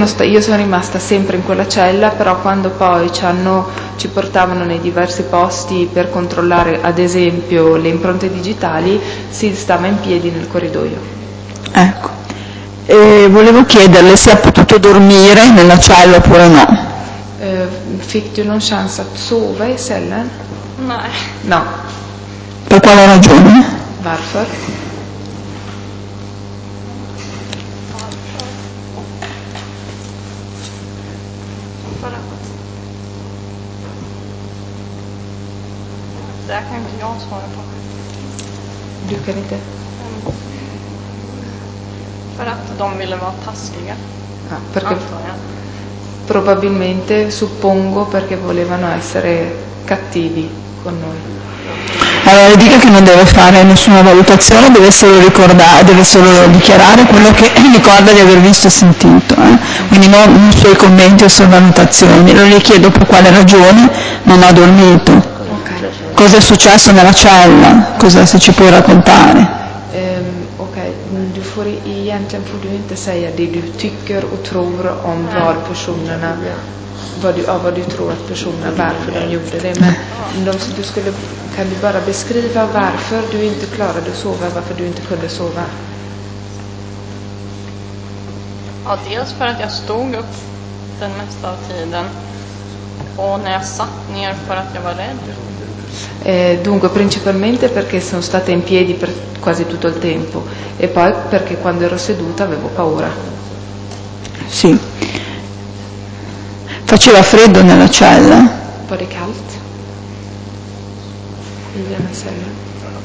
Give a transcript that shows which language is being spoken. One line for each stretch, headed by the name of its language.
Italian: Io sono rimasta sempre in quella cella, però quando poi ci portavano nei diversi posti per controllare ad esempio le impronte digitali, si stava in piedi nel corridoio. Ecco, e volevo chiederle se ha potuto dormire nella cella oppure no.
Swedish: Fick du någon chans att sova i cellen? Nej.
Italian: No. Per quale ragione?
Swedish: Varför? Det kan inte jag svara på. Du kan inte? För att de ville vara taskiga.
Italian: Ja, perché probabilmente, suppongo, perché volevano essere cattivi con noi. Allora le dica che non deve fare nessuna valutazione, deve solo ricordare, deve solo dichiarare quello che ricorda di aver visto e sentito, quindi non i suoi commenti o sue valutazioni. Non le chiedo per quale ragione non ha dormito. Cosa è successo nella cella? Cosa se ci puoi raccontare?
Swedish: Ok, du får egentligen får du inte säga det du tycker och tror om var personerna vad du tror att personerna varför de gjorde det, men du skulle, kan du bara beskriva varför du inte klarade att sova, varför du inte kunde sova? Ja, dels för att jag stod upp den mesta av tiden och när jag satt ner för att jag var rädd.
Italian: Dunque principalmente perché sono stata in piedi per quasi tutto il tempo e poi perché quando ero seduta avevo paura. Sì. Faceva freddo nella cella. Un po' caldo. Non ho